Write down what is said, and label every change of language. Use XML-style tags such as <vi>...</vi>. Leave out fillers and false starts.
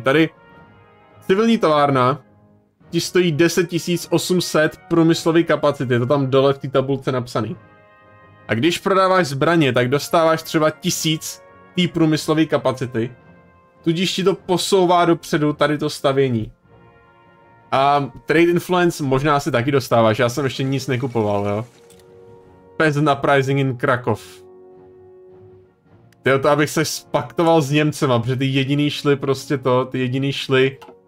<cs>Tady civilní továrna ti stojí 10 800 průmyslový kapacity, je to tam dole v té tabulce napsaný. A když prodáváš zbraně, tak dostáváš třeba 1 000 té průmyslový kapacity. Tudíž ti to posouvá dopředu tady to stavění. A trade influence možná si taky dostáváš, já jsem ještě nic nekupoval, jo.</cs> <en>Peasant uprising in Krakow.</en> <cs>Tyjo, to abych se spaktoval s Němcema, protože ty jediný šli...</cs>